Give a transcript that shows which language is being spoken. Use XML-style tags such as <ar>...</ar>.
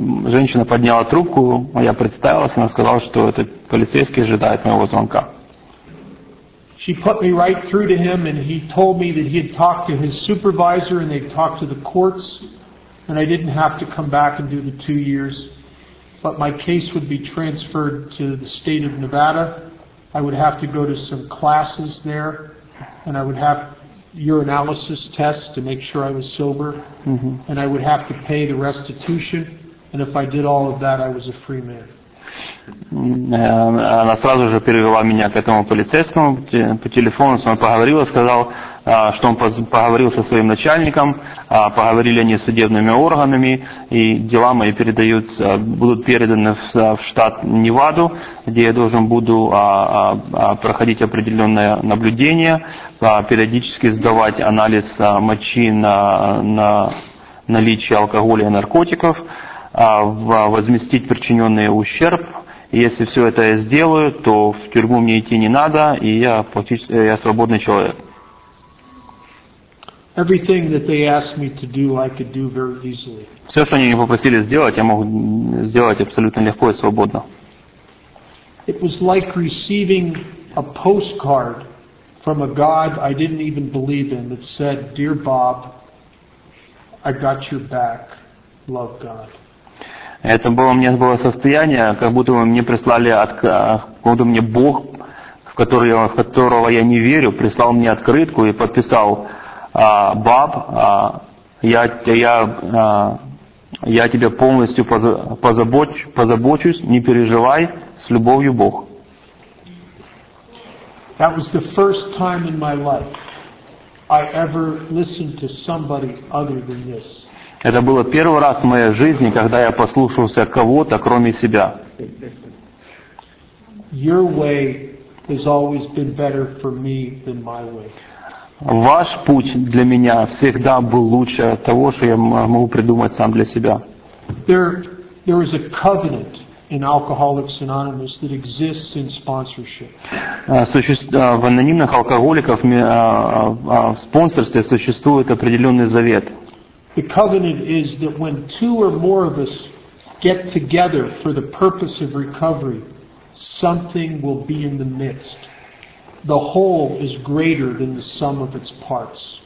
<ru>Женщина подняла трубку, я представилась, она сказала, что этот полицейский ожидает моего звонка.</ru> <en>She put me right through to him and he told me that he had talked to his supervisor and they'd talked to the courts and I didn't have to come back and do the 2 years, but my case would be transferred to the state of Nevada. I would have to go to some classes there. And I would have your analysis test to make sure I was sober. Mm-hmm. And I would have to pay the restitution. And if I did all of that, I was a free man.</en> <ru>Она сразу же перевела меня к этому полицейскому по телефону. Он поговорил, сказал, что он поговорил со своим начальником, поговорили они с судебными органами, и дела мои будут переданы в штат Неваду, где я должен буду проходить определенное наблюдение, периодически сдавать анализ мочи на наличие алкоголя и наркотиков, возместить причиненный ущерб. Если все это я сделаю, то в тюрьму мне идти не надо, и я свободный человек.</ru> <en>Everything that they asked me to do, I could do very easily.</en> <ru>Все, что они меня попросили сделать, я мог сделать абсолютно легко и свободно.</ru> <en>It was like receiving a postcard from a God I didn't even believe in that said, "Dear Bob, I got your back. Love God."</en> <ru>Это было, у меня было состояние, как будто бы мне прислали, как будто мне Бог, в которого я не верю, прислал мне открытку и подписал: «Баб, я тебя полностью позабочусь, не переживай, с любовью, Бог».</ru> <en>That was the first time in my life I ever listened to somebody other than this.</en> <ru>Это было первый раз в моей жизни, когда я послушался кого-то, кроме себя.</ru> <en>Your way has always been better for me than my way.</en> <ru>Ваш путь для меня всегда был лучше того, что я могу придумать сам для себя.</ru> <en>There is a covenant in Alcoholics Anonymous that exists in sponsorship.</en> <ru>В анонимных алкоголиках в спонсорстве существует определенный завет.</ru> <en>The covenant is that when two or more of us get together for the purpose of recovery, something will be in the midst. The whole is greater than the sum of its parts.</en>